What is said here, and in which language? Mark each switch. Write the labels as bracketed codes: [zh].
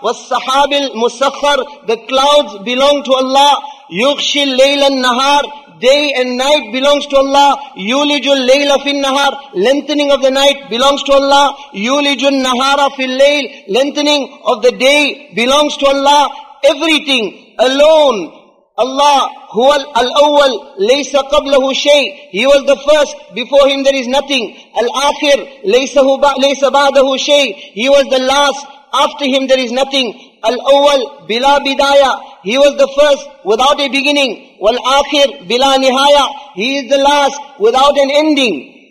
[ar] وَالسَّحَابِ الْمُسَخَّرِ. [en] The clouds belong to Allah. [ar] يُغْشِ اللَّيْلَ النَّهَارِ. [en] Day and night belongs to Allah. [ar] يُولِجُ اللَّيْلَ فِي النَّهَارِ. [en] Lengthening of the night belongs to Allah. [ar] يُولِجُ النَّهَارَ فِي اللَّيْلِ. [en] Lengthening of the day belongs to Allah. Everything alone. Allah, [ar] هو الأول ليس قبله شيء. [en] He was the first, before Him there is nothing. [ar] الآخر ليس بعده شيء. [en] He was the last, after Him there is nothing. [ar] الأول بلا بداية. [en] He was the first without a beginning. [ar] والآخر بلا نهاية. [en] He is the last without an ending.